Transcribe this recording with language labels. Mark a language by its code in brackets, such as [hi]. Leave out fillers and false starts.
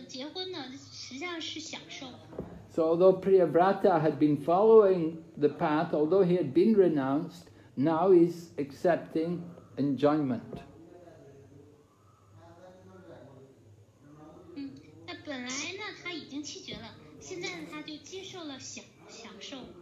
[zh] 但是结婚，那不是真正意义上的弃绝。那结婚呢，实际上是享受。 [en] So although Priyavrata had been following the path, although he had been renounced, now he's accepting enjoyment. [zh] 本来呢，他已经弃绝了，现在呢，他就接受了享受。